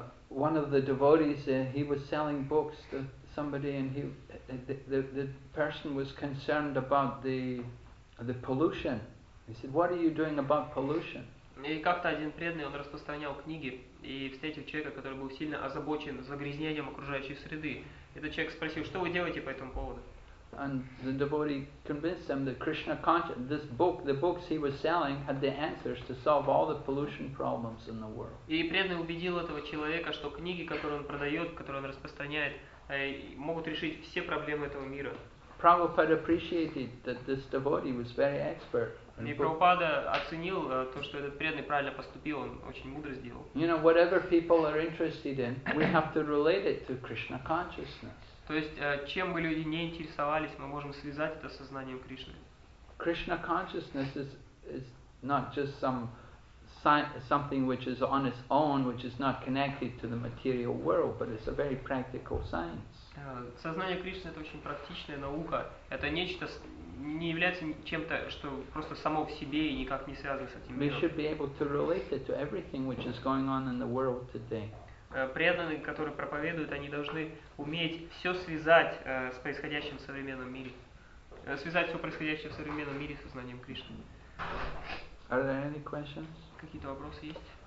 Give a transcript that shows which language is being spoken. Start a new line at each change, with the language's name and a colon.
English: One of the devotees, he was selling books to somebody, and the person was concerned about the pollution. He said, "What are you doing about pollution?"
Russian: И как-то один преданный, он распространял книги и встретил человека, который был сильно озабочен загрязнением окружающей среды. Этот человек спросил, что вы делаете по этому поводу?
English: And the devotee convinced him that Krishna consciousness, this book, the books he was selling, had the answers to solve all the pollution problems in the world.
Russian: И преданный убедил этого человека, что книги, которые он продает, которые он распространяет, могут решить все проблемы этого мира.
English: Prabhupada appreciated that this devotee was very expert.
Russian: И Прабхупада оценил то, что этот преданный правильно поступил, он очень мудро сделал.
English: You know, whatever people are interested in, we have to relate it to Krishna consciousness.
Russian: То есть, чем бы люди не интересовались, мы можем связать это с сознанием Кришны.
English: Krishna consciousness is not just something which is on its own, which is not connected to the material world, but it's a very practical science.
Russian: Сознание Кришны — это очень практичная наука. Это нечто, не является чем-то, что просто само в себе и никак не связано с этим миром.
English: We should be able to relate it to everything which is going on in the world today.
Russian: Преданные, которые проповедуют, они должны уметь все связать с происходящим в современном мире. Связать все происходящее в современном мире с сознанием Кришны.
English: Are there any questions?
Russian: Какие-то вопросы есть?